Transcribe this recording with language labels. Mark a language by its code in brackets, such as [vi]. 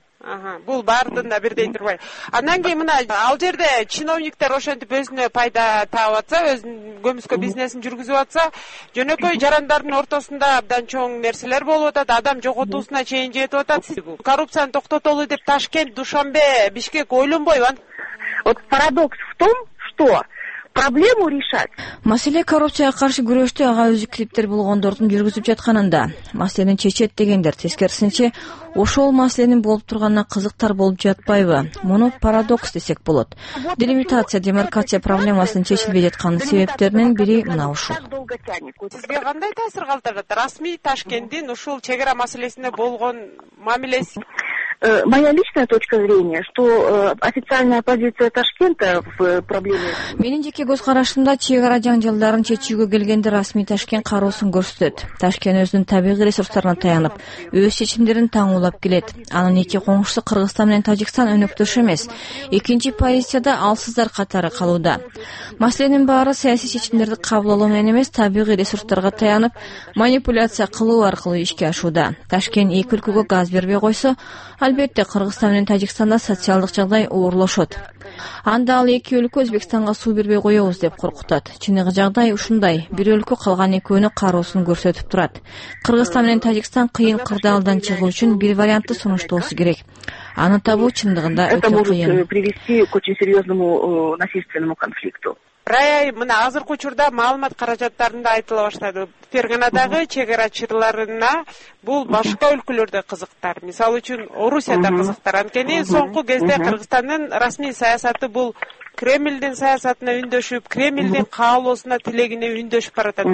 [ky] Ага, бул баардыгында бирдей турбайбы? Андан кийин мына ал жерде чиновниктер ошентип өзүнө пайда таап атса, өзүнүн көмүскө бизнесин жүргүзүп атса, жөнөкөй жарандардын ортосунда абдан чоң нерселер болуп атат, адам жоготуусуна чейин жетип атат. Бул коррупцияны токтотолу деп Ташкент, Душанбе, Бишкек ойлонбойбу? [ru] Вот парадокс в том, что проблему решать. [ky] Маселе коррупцияга каршы күрөштү ага өзү кириптер болгондордун жүргүзүп жатканында, маселени чечет дегендер тескерисинче ошол маселенин болуп турганына кызыктар болуп жатпайбы? Муну парадокс десек болот. Делимитация, демаркация проблемасынын чечилбей жаткан себептеринин бири мына ушул. Сизге кандай таасир калтырат? Расмий Ташкенттин ушул чек ара маселесине болгон мамилеси? [ru] Моя личная точка зрения, что официальная позиция Ташкента в проблеме... [ky] Менин жеке көз карашымда чегара жаңжалдарын чечүүгө келгенде расмий Ташкент кароосун көрсөтөт. Ташкент өзүнүн табигый ресурстарына таянып, өз чечимдерин таңуулап келет. Анын эки коңшусу Кыргызстан менен Тажикстан өнөктөшү эмес. Экинчи позицияда алсыздар катары калууда. Маселенин баары саясий чечимдерди кабыл алуу менен эмес, табигый ресурстарга таянып, манипуляция кылуу аркылуу ишке ашууда. Ташкент эки өлкөгө газ бербей койсо, албетте, Кыргызстан менен Тажикстанда социалдык жагдай оорлошот. Анда ал эки өлкө Өзбекстанга суу бербей коебуз деп коркутат. Чыныгы жагдай ушундай, бир өлкө калган экөөнү кароосун көрсөтүп турат. Кыргызстан менен Тажикстан кыйын кырдаалдан чыгуу үчүн бир вариантты сунуштоосу керек. Аны табуу чындыгында өтө кыйын. [ru] Это может привести к очень серьезному насильственному конфликту. [ky] Рай, мына азыркы учурда маалымат каражаттарында айтыла баштады. Ферганадагы чек арачыларына бул башка өлкөлөрдө кызыктар. Мисалы үчүн Орусияда кызыктар. Анткени соңку кезде Кыргызстандын расмий саясаты бул Кремлдин саясатына үндөшүп, Кремлдин каалоосуна тилегине үндөшүп баратат.